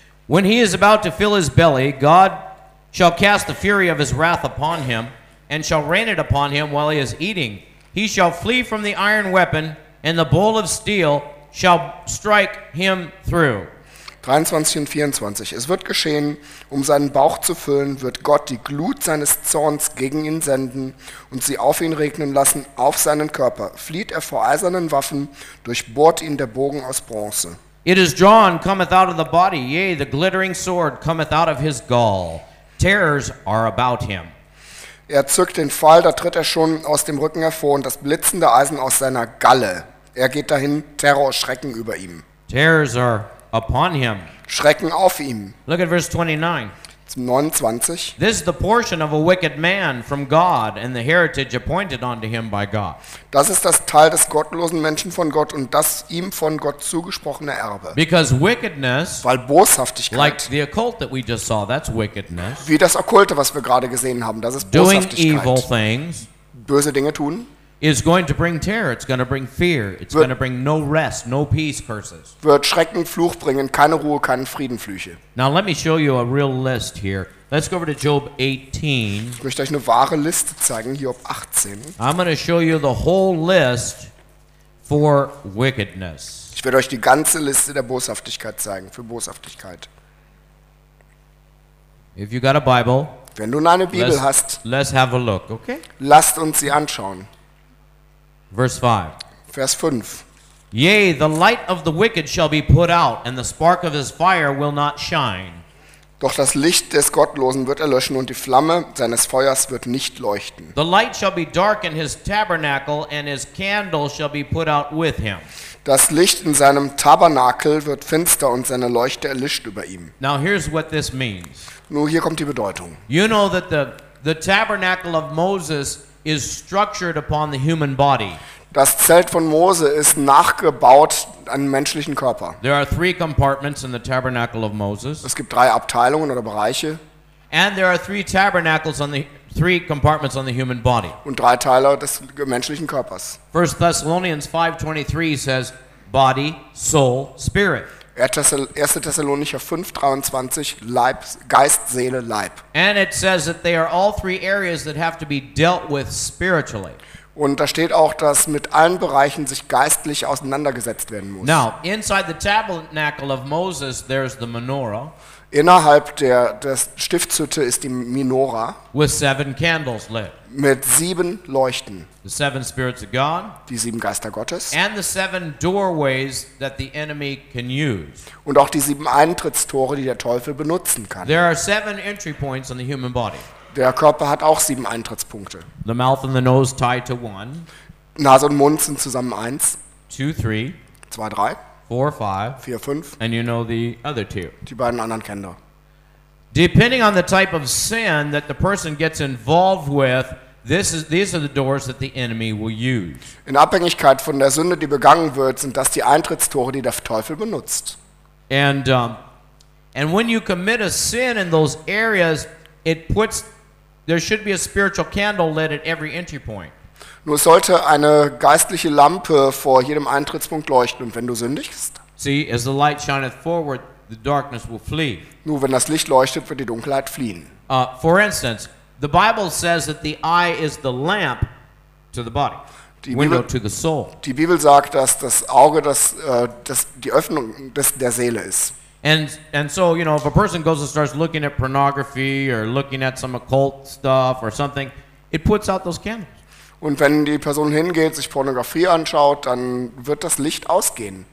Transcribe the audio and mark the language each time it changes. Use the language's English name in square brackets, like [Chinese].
[English] When he is about to fill his belly, God shall cast the fury of his wrath upon him and shall rain it upon him while he is eating. He shall flee from the iron weapon and the bowl of steel shall strike him through. [German] 23 und 24. Es wird geschehen, um seinen Bauch zu füllen, wird Gott die Glut seines Zorns gegen ihn senden und sie auf ihn regnen lassen, auf seinen Körper. Flieht er vor eisernen Waffen, durchbohrt ihn der Bogen aus Bronze. [English] It is drawn, cometh out of the body, yea, the glittering sword cometh out of his gall. Terrors are about him. [German] Er zückt den Pfeil, da tritt er schon aus dem Rücken hervor und das blitzende Eisen aus seiner Galle. Er geht dahin, Terror, Schrecken über ihm. [English] Terrors are upon him. [German] Schrecken auf ihm. [English] Look at verse 29. [German] Zum 29. [English] This is the portion of a wicked man from God and the heritage appointed unto him by God. [German] Das ist das Teil des gottlosen Menschen von Gott und das ihm von Gott zugesprochene Erbe. [English] Because wickedness, [German] weil Boshaftigkeit, [English] like the occult that we just saw, that's wickedness. [German] Wie das Okkulte, was wir gerade gesehen haben, das ist Boshaftigkeit. [English] Doing evil things, [German] böse Dinge tun, [English] is going to bring terror, it's going to bring fear, it's going to bring no rest, no peace curses. [German] Wird Schrecken, Fluch bringen, keine Ruhe, keinen Frieden, Flüche. [English] Now let me show you a real list here. Let's go over to Job 18. [German] Ich möchte euch eine wahre Liste zeigen, Job 18. [English] I'm going to show you the whole list for wickedness. [German] Ich werde euch die ganze Liste der Boshaftigkeit zeigen, für Boshaftigkeit. [English] If you got a Bible, [German] wenn du eine Bibel hast, [English] let's have a look, okay? [German] Lasst uns sie anschauen. [English] Verse 5. Yea, the light of the wicked shall be put out, and the spark of his fire will not shine. [German] Doch das Licht des Gottlosen wird erlöschen, und die Flamme seines Feuers wird nicht leuchten. [English] The light shall be dark in his tabernacle, and his candle shall be put out with him. [German] Das Licht in seinem Tabernakel wird finster, und seine Leuchte erlischt über ihm. [English] Now here's what this means. [German] Nun, hier kommt die Bedeutung. [English] You know that the tabernacle of Moses is structured upon the human body. [German] Das Zelt von Mose ist nachgebaut an menschlichen Körper. [English] There are three compartments in the tabernacle of Moses. [German] Es gibt drei Abteilungen oder Bereiche. [English] And there are three tabernacles on the three compartments on the human body. [German] Und drei Teile des menschlichen Körpers. [English] 1 Thessalonians 5:23 says body, soul, spirit. [German] 1. Thessalonicher 5, 23, Leib, Geist, Seele, Leib. [English] And it says that they are all three areas that have to be dealt with spiritually. [German] Und da steht auch, dass mit allen Bereichen sich geistlich auseinandergesetzt werden muss. [English] Now, inside the tabernacle of Moses, there's the menorah. [German] Innerhalb der Stiftshütte ist die Menorah. [English] With seven candles lit. [German] Mit sieben Leuchten. [English] The seven spirits of God. [German] Die sieben Geister Gottes. [English] And the seven doorways that the enemy can use. [German] Und auch die sieben Eintrittstore, die der Teufel benutzen kann. [English] There are seven entry points on the human body. [German] Der Körper hat auch sieben Eintrittspunkte. [English] The mouth and the nose tied to one. [German] Nase und Mund sind zusammen eins. [English] Two, three. [German] Zwei, drei. [English] 4, 5. And you know the other two. [German] Die beiden anderen kennen wir. [English] Depending on the type of sin that the person gets involved with, these are the doors that the enemy will use. [German] In Abhängigkeit von der Sünde, die begangen wird, sind das die Eintrittstore, die der Teufel benutzt. [English] And when you commit a sin in those areas, there should be a spiritual candle lit at every entry point. [German] Nur sollte eine geistliche Lampe vor jedem Eintrittspunkt leuchten, und wenn du sündigst. [English] See, as the light shineth forward, the darkness will flee. [German] Nur wenn das Licht leuchtet, wird die Dunkelheit fliehen. [English] For instance, the Bible says that the eye is the lamp to the body, window to the soul. [German] Die Bibel sagt, dass das Auge das die Öffnung der Seele ist. [English] And so, you know, if a person goes and starts looking at pornography or looking at some occult stuff or something, it puts out those candles. [German] Und wenn die Person hingeht, sich Pornografie anschaut, dann wird das Licht ausgehen.